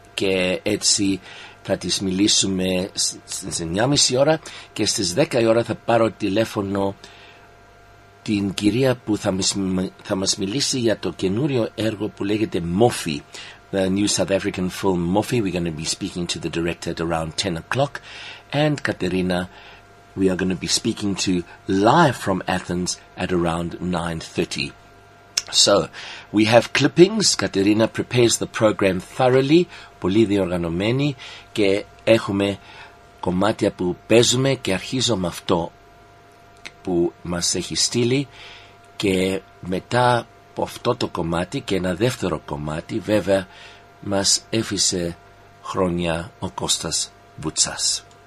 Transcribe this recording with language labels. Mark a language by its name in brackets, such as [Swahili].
[Greek] Και έτσι θα τις μιλήσουμε στις 9.30 ώρα και στις 10 η ώρα θα πάρω τηλέφωνο την κυρία που θα μας μιλήσει για το καινούριο έργο που λέγεται Μόφι, [English] the new South African film [Greek] Μόφι. [English] We're going to be speaking to the director at around 10 o'clock and Katerina, we are going to be speaking to live from Athens at around 9.30. So, we have clippings. Katerina prepares the program thoroughly, [Greek] πολύ διοργανωμένη, και έχουμε κομμάτια που παίζουμε και αρχίζω με αυτό που μας έχει στείλει και μετά από αυτό το κομμάτι και ένα δεύτερο κομμάτι, βέβαια, μας έφυσε χρόνια ο Κώστας Βουτσάς.